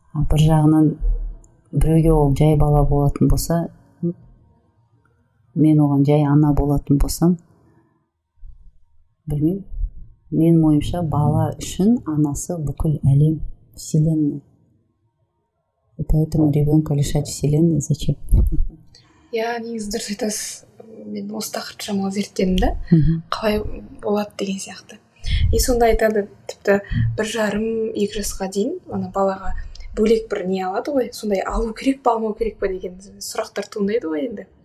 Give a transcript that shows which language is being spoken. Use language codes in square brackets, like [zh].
[kk] Бір жағынан біреуге ол жай бала болатын болса, мен оған жай ана болатын болсам, білмеймін, мен ойымша бала үшін анасы бүкіл әлем, вселенная. [ru] И поэтому ребенка лишать вселенной зачем? [kk] Я негізі дұрыс айтасыз. Мен осы тақырыпты жаңа зерттедім да, қалай болады деген сияқты. И сонда айтады, тіпті бір жарым екі жасқа дейін ана балаға бөлек бір не алады ғой, сондай алу керек па, алмау керек па деген сұрақтар туындайды ғой енді.